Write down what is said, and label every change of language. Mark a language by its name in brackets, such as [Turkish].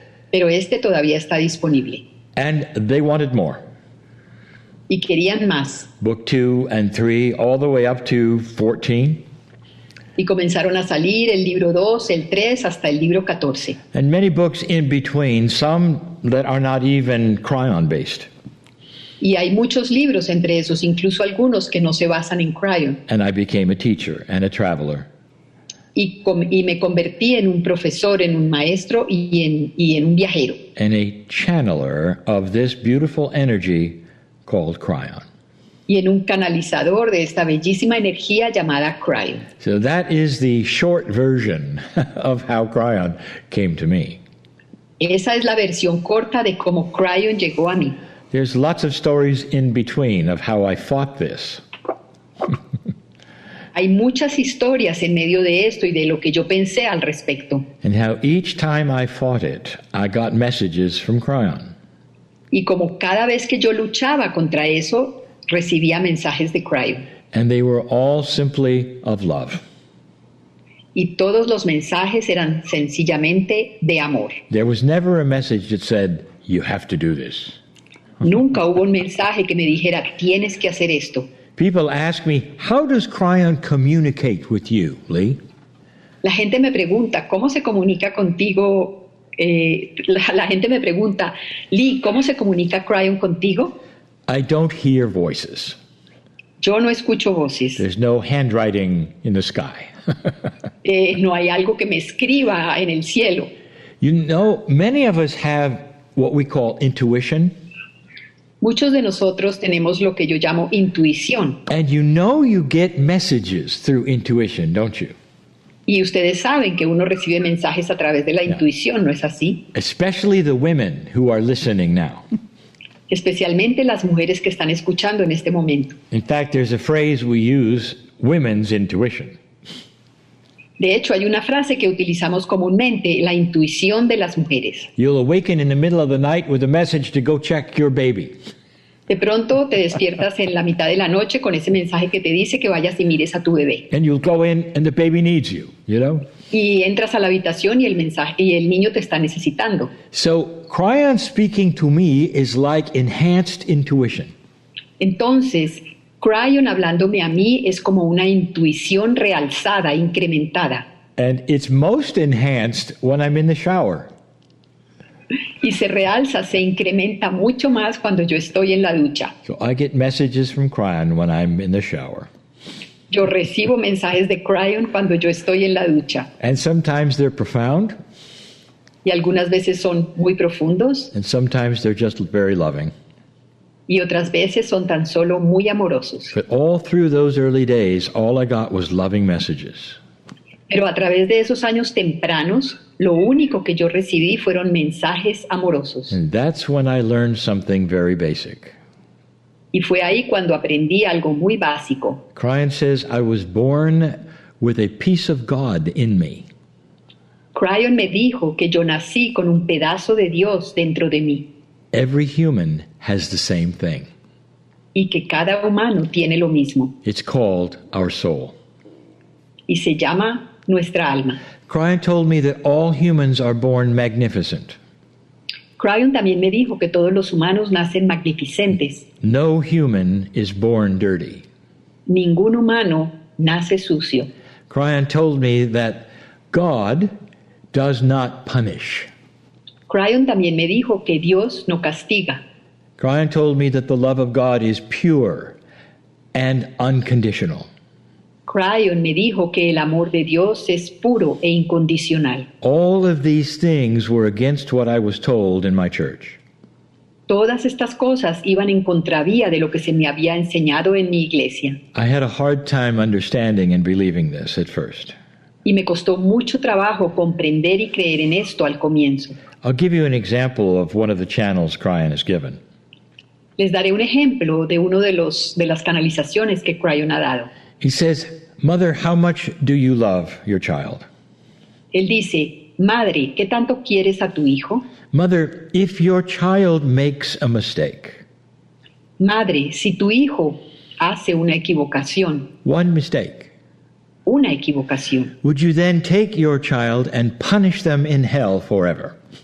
[Spanish] Pero este todavía está disponible. [English] And they wanted more. [Spanish] Y querían más. [English] Book 2 and 3, all the way up to 14. [Spanish] Y comenzaron a salir el libro 2, el 3, hasta el libro 14. [English] And many books in between, some that are not even Cryon based. [Spanish] Y hay muchos libros entre esos, incluso algunos que no se basan en Cryon. [English] And I became a teacher and a traveler. [Spanish] Y me convertí en un profesor, en un maestro y en un viajero. [English] And a channeler of this beautiful energy called Cryon. [Spanish] Y en un canalizador de esta bellísima energía llamada Cryon. [English] So that is the short version of how Cryon came to me. [Spanish] Esa es la versión corta de cómo Cryon llegó a mí. [English] There's lots of stories in between of how I fought this. [Spanish] Hay muchas historias en medio de esto y de lo que yo pensé al respecto. [English] And how each time I fought it, I got messages from Cryon. [Spanish] Y como cada vez que yo luchaba contra eso, recibía mensajes de Cryon. [English] And they were all simply of love. [Spanish] Y todos los mensajes eran sencillamente de amor. [English] There was never a message that said, you have to do this. [Spanish] Nunca hubo un mensaje que me dijera, tienes que hacer esto. [English] People ask me, how does Cryon communicate with you, Lee? [Spanish] La gente me pregunta, ¿cómo se comunica contigo? La gente me pregunta, Lee, ¿cómo se comunica Cryon contigo? [English] I don't hear voices. [Spanish] Yo no escucho voces. [English] There's no handwriting in the sky. [Spanish] No hay algo que me escriba en el cielo. [English] You know, many of us have what we call intuition. [Spanish] Muchos de nosotros tenemos lo que yo llamo intuición. [English] And you know you get messages through intuition, don't you? [Spanish] Y ustedes saben que uno recibe mensajes a través de la intuición, ¿no es así? [English] Especially the women who are listening now. [Spanish] Especialmente las mujeres que están escuchando en este momento. [English] In fact, there's a phrase we use, women's intuition. [Spanish] De hecho, hay una frase que utilizamos comúnmente, la intuición de las mujeres. [English] You'll awaken in the middle of the night with a message to go check your baby. [Spanish] De pronto te despiertas en la mitad de la noche con ese mensaje que te dice que vayas y mires a tu bebé. [English] And you'll go in and the baby needs you, you know? [Spanish] Y entras a la habitación y el mensaje y el niño te está necesitando. [English] So, Cryon speaking to me is like enhanced intuition. [Spanish] Entonces, Cryon hablándome a mí es como una intuición realzada, incrementada. [English] And it's most enhanced when I'm in the shower. [Spanish] Y se realza, se incrementa mucho más cuando yo estoy en la ducha. [English] So I get messages from Cryon when I'm in the shower. [Spanish] Yo recibo mensajes de Cryon cuando yo estoy en la ducha. [English] And sometimes they're profound. [Spanish] Y algunas veces son muy profundos. [English] And sometimes they're just very loving. [Spanish] Y otras veces son tan solo muy amorosos. [English] But all through those early days, all I got was loving messages. [Spanish] Pero a través de esos años tempranos, lo único que yo recibí fueron mensajes amorosos. [English] And that's when I learned something very basic. [Spanish] Y fue ahí cuando aprendí algo muy básico. [English] Cryon says, I was born with a piece of God in me. [Spanish] Cryon me dijo que yo nací con un pedazo de Dios dentro de mí. [English] Every human has the same thing. [Spanish] Y que cada humano tiene lo mismo. [English] It's called our soul. [Spanish] Y se llama nuestra alma. [English] Cryon told me that all humans are born magnificent. [Spanish] Cryon también me dijo que todos los humanos nacen magnificentes. [English] No human is born dirty. [Spanish] Ningún humano nace sucio. [English] Cryon told me that God does not punish. [Spanish] Cryon también me dijo que Dios no castiga. [English] Cryon told me that the love of God is pure and unconditional. [Spanish] Cryon me dijo que el amor de Dios es puro e incondicional. [English] All of these things were against what I was told in my church. [Spanish] Todas estas cosas iban en contravía de lo que se me había enseñado en mi iglesia. [English] I had a hard time understanding and believing this at first. [Spanish] Y me costó mucho trabajo comprender y creer en esto al comienzo. [English] I'll give you an example of one of the channels Cryon has given. [Spanish] Les daré un ejemplo de uno de los de las canalizaciones que Cryon ha dado. [English] He says, "Mother, how much do you love your child?" [Spanish] Él dice, "Madre, ¿qué tanto quieres a tu hijo?" [English] "Mother, if your child makes a mistake." [Spanish] Madre, si tu hijo hace una equivocación. [English] One mistake. [Spanish] Una equivocación. [English] "Would you then take your child and punish them in hell forever?"